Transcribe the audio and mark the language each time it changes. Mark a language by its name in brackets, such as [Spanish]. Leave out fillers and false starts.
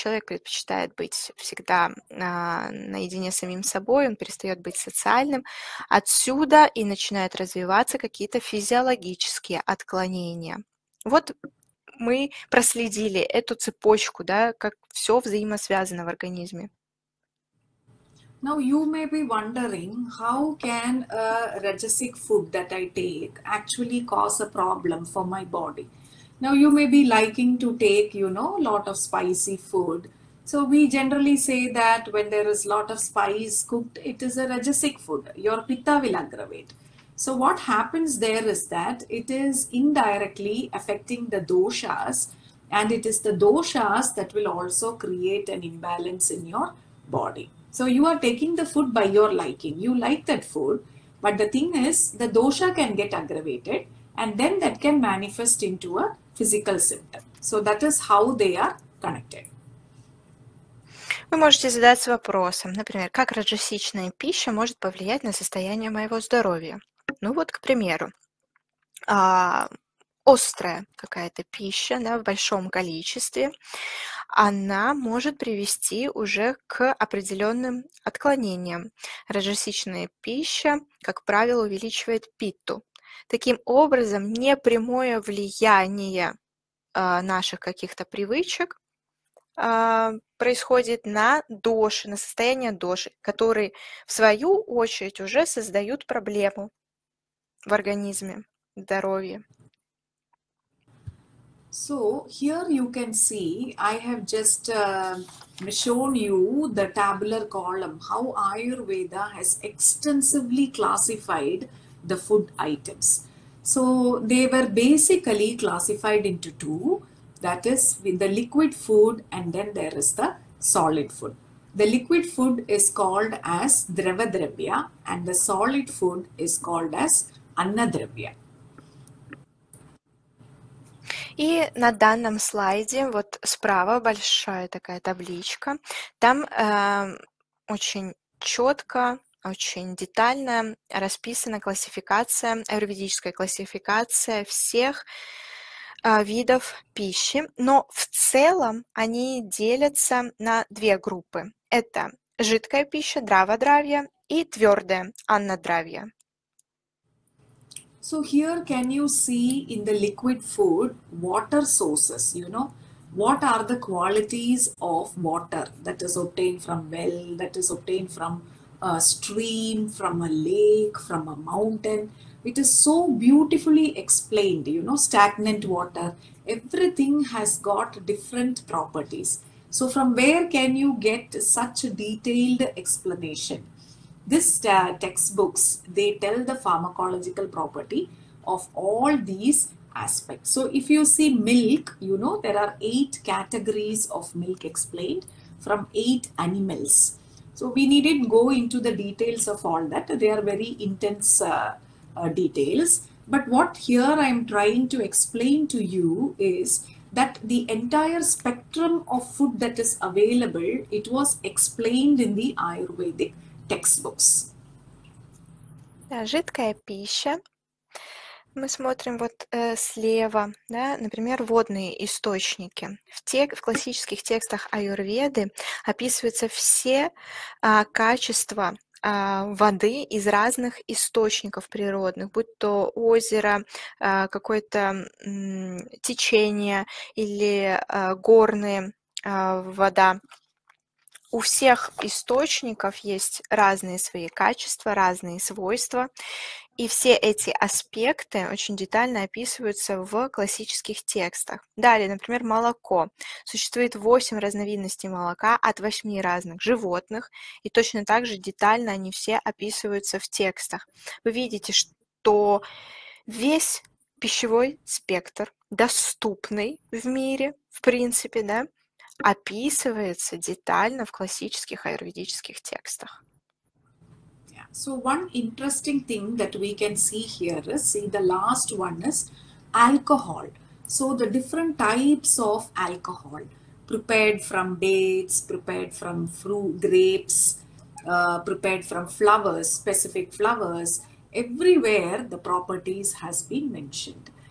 [Russian] Человек предпочитает быть всегда наедине с самим собой, он перестает быть социальным. Отсюда и начинают развиваться какие-то физиологические отклонения. Вот мы проследили эту цепочку, да, как все взаимосвязано в организме. [English] Now you may be wondering, how can a rajasic food that I take actually cause a problem for my body? Now you may be liking to take, you know, a lot of spicy food. So we generally say that when there is a lot of spice cooked, it is a rajasic food. Your pitta will aggravate. So what happens there is that it is indirectly affecting the doshas, and it is the doshas that will also create an imbalance in your body. So you are taking the food by your liking. You like that food, but the thing is, the dosha can get aggravated, and then that can manifest into a physical symptom. So that is how they are connected. [Russian] Вы можете задаться вопросом, например, как раджасичная пища может повлиять на состояние моего здоровья? Ну вот, к примеру, острая какая-то пища, да, в большом количестве, она может привести уже к определенным отклонениям. Раджасичная пища, как правило, увеличивает питту. Таким образом, непрямое влияние наших каких-то привычек происходит на доши, на состояние доши, которые, в свою очередь, уже создают проблему в организме, здоровье. [English] So here you can see, I have just shown you the tabular column, how Ayurveda has extensively classified the food items. So they were basically classified into two, that is with the liquid food and then there is the solid food. The liquid food is called as Drava Dravya and the solid food is called as Anna Dravya. [Russian] И на данном слайде, вот справа большая такая табличка, там очень четко, очень детально расписана классификация, аюрведическая классификация всех видов пищи. Но в целом они делятся на две группы. Это жидкая пища, драва-дравья, и твердая, анна-дравья. [English] So here can you see in the liquid food, water sources, you know, what are the qualities of water that is obtained from well, that is obtained from a stream, from a lake, from a mountain. It is so beautifully explained, you know, stagnant water, everything has got different properties. So from where can you get such a detailed explanation? This textbooks, they tell the pharmacological property of all these aspects. So if you see milk, you know, there are eight categories of milk explained from eight animals. So we needn't go into the details of all that. They are very intense details. But what here I'm trying to explain to you is that the entire spectrum of food that is available, it was explained in the Ayurvedic textbooks. [Russian] Да, жидкая пища, мы смотрим вот слева, да, например, водные источники. В классических текстах аюрведы описываются все качества воды из разных источников природных, будь то озеро, какое-то течение или горная вода. У всех источников есть разные свои качества, разные свойства, и все эти аспекты очень детально описываются в классических текстах. Далее, например, молоко. Существует 8 разновидностей молока от 8 разных животных, и точно так же детально они все описываются в текстах. Вы видите, что весь пищевой спектр, доступный в мире, в принципе, да, описывается детально в классических аюрведических текстах. [English] So one interesting thing that we can see here is, see the last one is alcohol. So the different types of alcohol prepared from dates, prepared from fruit, grapes, prepared from flowers, specific flowers, everywhere the properties has been mentioned.